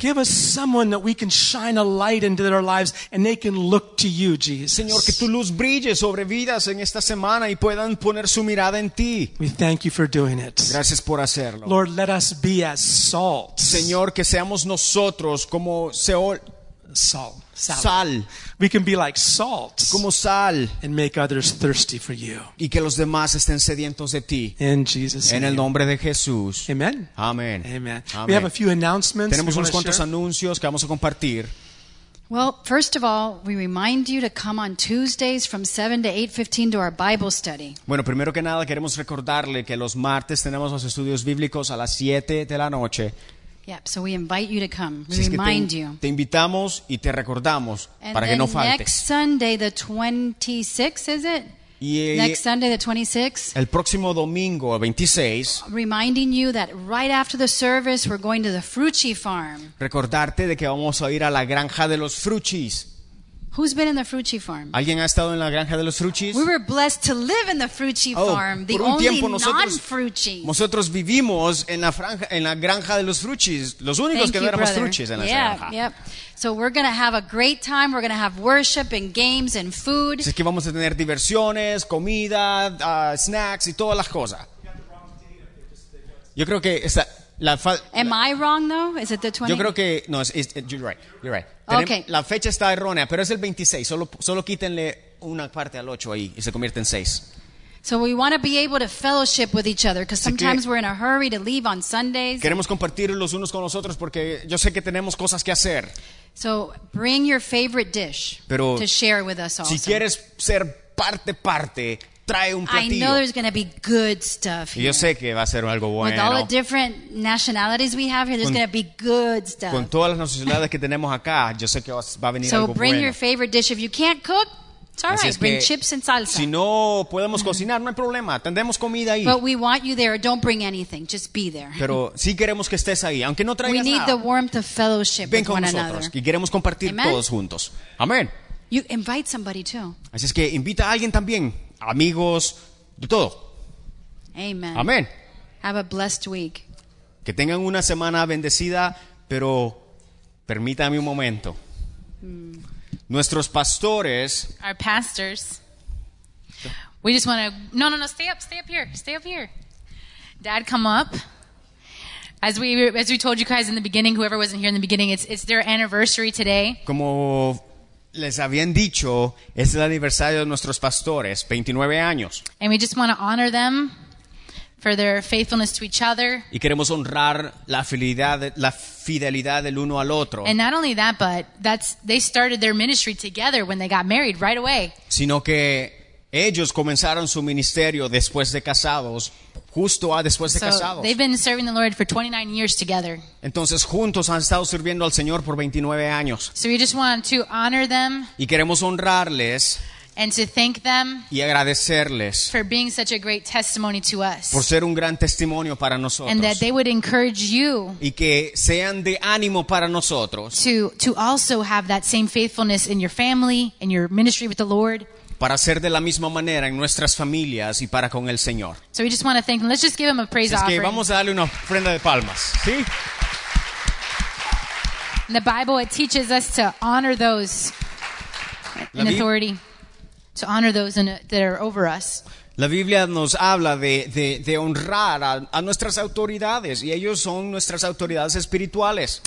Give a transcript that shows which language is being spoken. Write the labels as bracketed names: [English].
[English] Give us someone that we can shine a light into their lives and they can look to you, Jesus. [Spanish] Señor, que tu luz brille sobre vidas en esta semana y puedan poner su mirada en ti. [English] We thank you for doing it. [Spanish] Gracias por hacerlo. [English] Lord, let us be as salt. [Spanish] Señor, que seamos nosotros como [English] salt. [Spanish] Sal. [English] We can be like salt. [Spanish] Como sal. [English] And make others thirsty for you. [Spanish] Y que los demás estén sedientos de ti. [English] In Jesus' name. [Spanish] En el nombre de Jesús. [English] Amen. [Spanish] Amen. [English] Amen. We have a few announcements. [Spanish] Tenemos unos cuantos anuncios que vamos a compartir. [English] Well, first of all, we remind you to come on Tuesdays from 7 to 8:15 to our Bible study. [Spanish] Bueno, primero que nada queremos recordarle que los martes tenemos los estudios bíblicos a las 7 de la noche. [English] Yep, so we invite you to come. We remind you. [Spanish] Te invitamos y te recordamos para que no faltes. [English] And then next Sunday, the 26th, is it? Next Sunday, the 26th. [Spanish] El próximo domingo, el 26. [English] Reminding you that right after the service, we're going to the Frucci farm. [Spanish] Recordarte de que vamos a ir a la granja de los Frucci's. [English] Who's been in the Frucci farm? [Spanish] ¿Alguien ha estado en la granja de los Frucci's? [English] We were blessed to live in the Frucci farm, the only non-Frucci. [Spanish] Nosotros vivimos en la granja de los Frucci's, los únicos que no éramos Frucci's en esa granja. [English] Yep. So we're going to have a great time. We're going to have worship and games and food. [Spanish] Así que vamos a tener diversiones, comida, snacks y todas las cosas. Yo creo que esta, [English] Am I wrong though? Is it the 20? [Spanish] Yo creo que no, [English] you're right. You're right. Okay. [Spanish] La fecha está errónea, pero es el 26. Solo quítenle una parte al 8 ahí y se convierte en 6. [English] So we want to be able to fellowship with each other because sometimes we're in a hurry to leave on Sundays. [Spanish] Queremos compartir los unos con los otros porque yo sé que tenemos cosas que hacer. [English] So bring your favorite dish [Spanish] pero [English] to share with us all. [Spanish] Si quieres ser parte trae un platillo. [English] I know there's going to be good stuff here. [Spanish] Yo sé que va a ser algo bueno. [English] With all the different nationalities we have here, there's going to be good stuff. [Spanish] Con todas las nacionalidades que tenemos acá, yo sé que va a venir [English] so [Spanish] algo bueno. [English] So bring your favorite dish. If you can't cook, it's all [Spanish] así [English] right. Bring chips and salsa. [Spanish] Si no podemos cocinar, no hay problema. Tendremos comida ahí. [English] But we want you there. Don't bring anything. Just be there. [Spanish] Pero sí queremos que estés ahí, aunque no traigas nada. [English] We need [Spanish] nada. [English] The warmth of fellowship [Spanish] ven [English] with [Spanish] con [English] one [Spanish] nosotros, [English] another. [Spanish] Y queremos compartir [English] amen. [Spanish] Todos juntos. Amén. [English] You invite somebody too. [Spanish] Así es que invita a alguien también. Amigos de todo. [English] Amen. [Spanish] Amen. [English] Have a blessed week. [Spanish] Que tengan una semana bendecida, pero permítame un momento. Nuestros pastores. [English] Our pastors. We just want to. No. Stay up here. Dad, come up. As we told you guys in the beginning, whoever wasn't here in the beginning, it's their anniversary today. [Spanish] Como les habían dicho, es el aniversario de nuestros pastores, 29 años. [English] And we just want to honor them for their faithfulness to each other. [Spanish] Y queremos honrar la fidelidad del uno al otro. [English] And not only that, but they started their ministry together when they got married right away. [Spanish] Sino que ellos comenzaron su ministerio después de casados. Justo después de casados. [English] So they've been serving the Lord for 29 years together. [Spanish] Entonces juntos han estado sirviendo al Señor por 29 años. [English] So we just want to honor them. [Spanish] Y queremos honrarles. [English] And to thank them. [Spanish] Y agradecerles. [English] For being such a great testimony to us. [Spanish] Por ser un gran testimonio para nosotros. [English] And that they would encourage you. [Spanish] Y que sean de ánimo para nosotros. [English] To also have that same faithfulness in your family, in your ministry with the Lord. [Spanish] Para ser de la misma manera en nuestras familias y para con el Señor. [English] So we just want to thank him. Let's just give him a praise offering. [Spanish] Es que vamos a darle una ofrenda de palmas, ¿sí? [English] The Bible, it teaches us to honor those in authority. To honor those that are over us. [Spanish] La Biblia nos habla de honrar a nuestras autoridades y ellos son nuestras autoridades espirituales.